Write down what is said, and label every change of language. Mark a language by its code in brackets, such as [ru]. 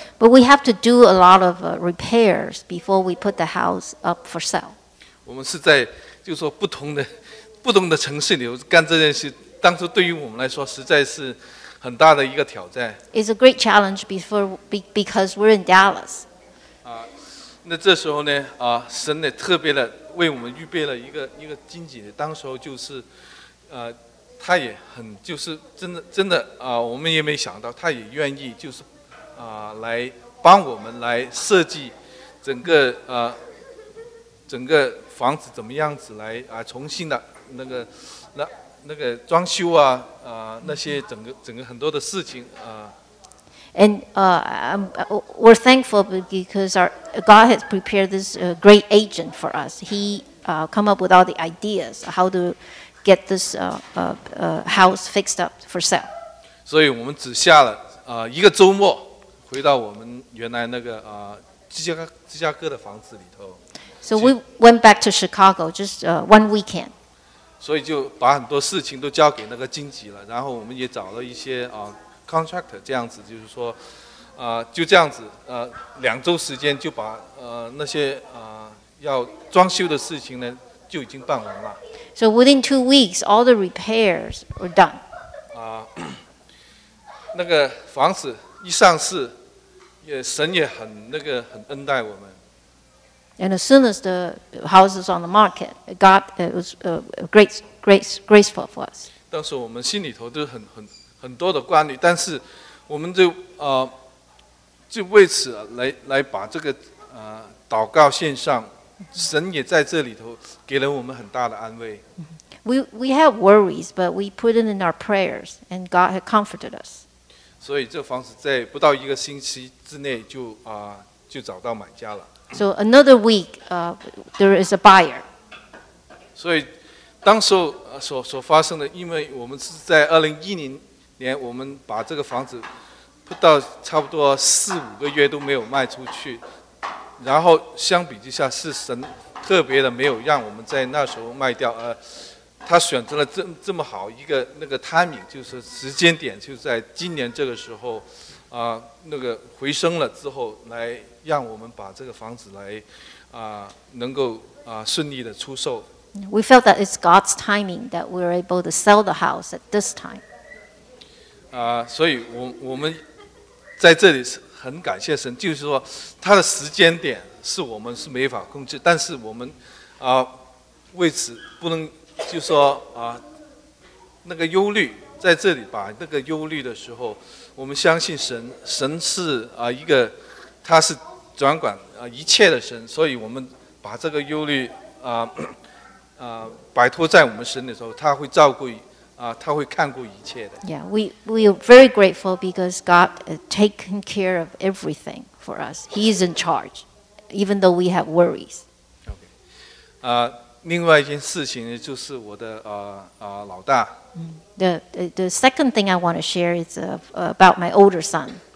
[en] But we have to do a lot of repairs before we put the house up for sale. [zh] 我们是在就是说不同的城市里干这件事，当初对于我们来说实在是很大的一个挑战。 [en] It's a great challenge because we're in Dallas. [zh] 那这时候呢，神呢特别的为我们预备了一个荆棘，当时候就是，他也很就是真的我们也没想到他也愿意就是，来帮我们来设计整个房子怎么样子来重新的那个装修啊那些整个很多的事情啊。 [en] And we're thankful because God has prepared this great agent for us. He come up with all the ideas how to get this house fixed up for sale. [zh] 所以我们只下了一个周末，回到我们原来那个芝加哥的房子里头。 [en] So we went back to Chicago just one weekend. [zh] 所以就把很多事情都交给那个经纪了，然后我们也找了一些contractor 这样子，就是说，就这样子，两周时间就把那些要装修的事情呢就已经办完了。 [en] So within 2 weeks, all the repairs were done. [zh] 那个房子一上市，神也很那个很恩待我们。 [en] And as soon as the house is on the market, God was graceful for us. [zh] 当时我们心里头都很多的挂虑，但是我们就就为此来把这个祷告献上，神也在这里头给了我们很大的安慰。 [en] We have worries, but we put it in our prayers, and God had comforted us. [zh] 所以这房子在不到一个星期之内就找到买家了。 [en] So another week, there is a buyer. [zh] 所以当时所发生的，因为我们是在2010年。我们把这个房子不到差不多四五个月都没有卖出去，然后相比之下是神特别的没有让我们在那时候卖掉，他选择了这么好一个那个 timing， 就是时间点就在今年这个时候那个回升了之后，来让我们把这个房子来能够顺利的出售。 [en] We felt that it's God's timing that we were able to sell the house at this time. [zh] 所以我们在这里很感谢神，就是说他的时间点是我们是没法控制，但是我们为此不能就说那个忧虑，在这里把那个忧虑的时候，我们相信神是一个他是掌管一切的神，所以我们把这个忧虑摆脱在我们神的时候，他会照顾他会看顾一切的。 [en] Yeah, we are very grateful because God has taken care of everything for us. He is in charge, even though we have worries. Okay. [zh] 另外一件事情就是我的老大。 [en] The second thing I want to share is about my older son.